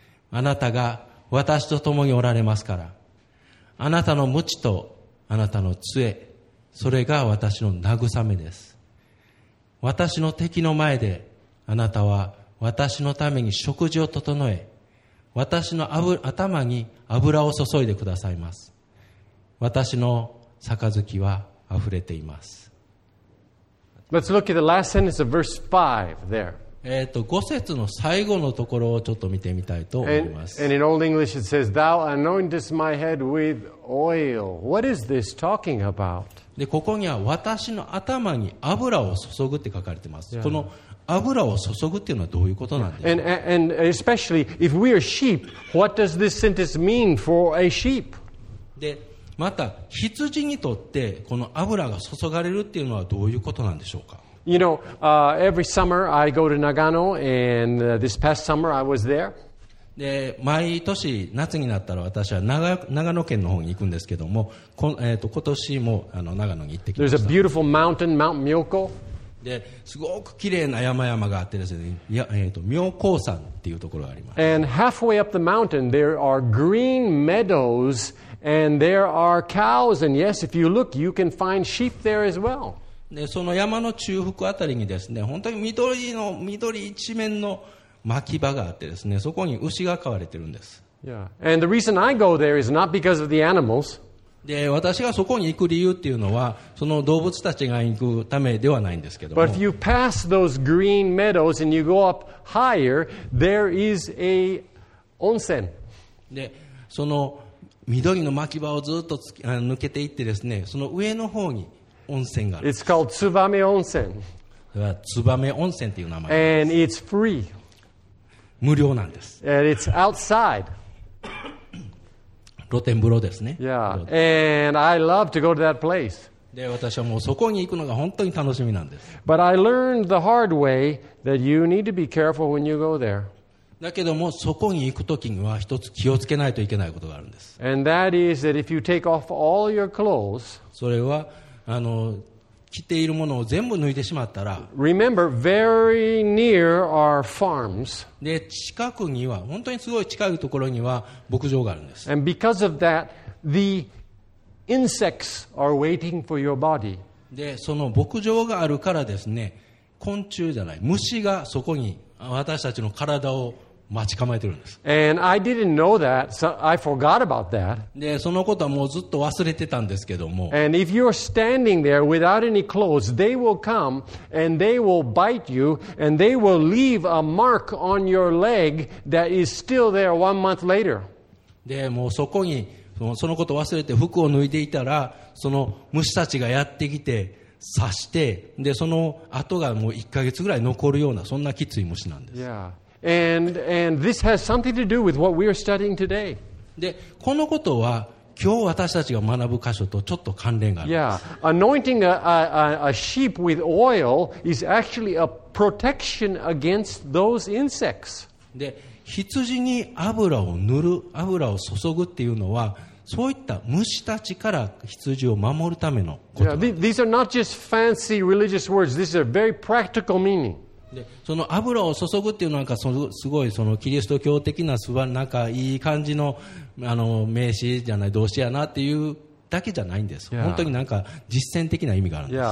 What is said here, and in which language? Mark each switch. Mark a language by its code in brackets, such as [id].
[ja] あなたが私と共におられますから。あなたの鞭とあなたの杖、それが私の慰めです。私の敵の前であなたは私のために食事を整え、私の頭に油を注いでくださいます。私の杯はあふれています。 [en] Let's look at the last sentence of verse 5 there. [ja] 5節の最後のところをちょっと見てみたいと思います。 [en] And in Old English it says, Thou anointest my head with oil. What is this talking about? [ja] で、ここには私の頭に油を注ぐって書かれてます。 [en] Yeah. [ja] この油を注ぐっていうのはどういうことなんでしょう。 [en] And especially if we are sheep, what does this sentence mean for a sheep? [ja] で、また羊にとってこの油が注がれるっていうのはどういうことなんでしょうか。 [en] You know, every summer I go to Nagano, and this past summer I was there. [ja] で毎年夏になったら私は 長野県の方に行くんですけども、今年もあの長野に行ってきました。 [en] There's a beautiful mountain, Mount Myoko. [ja] すごく綺麗な山々があってですね、妙高山っていうところがあります。 [en] And halfway up the mountain there are green meadows and there are cows and yes, if you look you can find sheep there as well. [ja] でその山の中腹あたりにですね、本当に緑一面の牧場があってですね、そこに牛が飼われてるんです。 [en] Yeah. And the reason I go there is not because of the animals. [ja] で私がそこに行く理由っていうのは、その動物たちが行くためではないんですけども。 [en] But if you pass those green meadows and you go up higher, there is a 温泉。 [ja] でその緑の牧場をずっと抜けていってですね、その上の方に。 [en] It's called Tsubame Onsen. [ja] Tsubame Onsen という名前。 [en] And it's free. [ja] 無料なんです。 [en] And it's outside. [ja] 露天風呂ですね。 [en] Yeah. And I love to go to that place. [ja] で、私はもうそこに行くのが本当に楽しみなんです。 [en] But I learned the hard way that you need to be careful when you go there. [ja] だけどもそこに行くときには一つ気をつけないといけないことがあるんです。 [en] And that is that if you take off all your clothes. [ja] それは着ているものを全部脱いでしまったら、 [en] Remember, very near are farms. [ja] で近くには本当にすごい近いところには牧場があるんです。 [en] And because of that, the insects are waiting for your body. [ja] でその牧場があるからですね、昆虫じゃない虫がそこに私たちの体を待ち構えてるんです。 [en] And I didn't know that, so I forgot about that. [ja] で、そのことはもうずっと忘れてたんですけども。 [en] And if you're standing there without any clothes, they will come and they will bite you and they will leave a mark on your leg that is still there 1 month later. [ja] で、もうそこにそのことを忘れて服を脱いでいたら、その虫たちがやってきて刺して、で、その跡がもう1ヶ月ぐらい残るようなそんなきつい虫なんです。 [en] Yeah. And this has something to do with what we are studying today. [ja] で、このことは今日私たちが学ぶ箇所とちょっと関連があります。 [en] Yeah. Anointing a sheep with oil is actually a protection against those insects. [ja] で、羊に油を塗る、油を注ぐっていうのは、そういった虫たちから羊を守るためのことなんです。 [en] Yeah. These are not just fancy religious words. These are very practical meaning. [ja] でその油を注ぐっていうのはなんかすごいそのキリスト教的な素晴らしいなんかいい感じの名詞じゃない動詞やなっていうだけじゃないんです、yeah. 本当になんか実践的な意味があるんです、